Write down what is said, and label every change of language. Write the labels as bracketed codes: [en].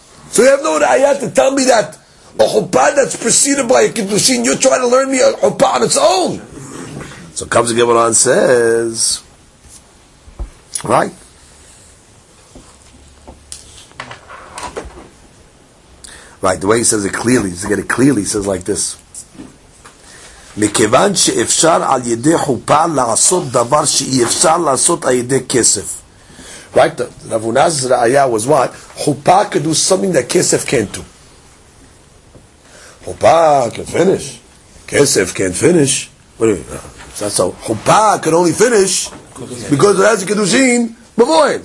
[en] So you have no ayat to tell me that a chuppah that's preceded by a kiddushin, you're trying to learn me a chuppah on its own. So comes the Gemara and says, right? Right, the way he says it clearly, he's getting it clearly, he says like this. [he] מכיוון שאפשר על ידי חופה לעשות דבר שאי אפשר לעשות על ידי כסף. [en] Right, Rav Unaz's ra'aya was what? חופה could do something that כסף can't do. חופה can finish. כסף can't finish. What do you mean? חופה can only finish because it has a kiddushin before it.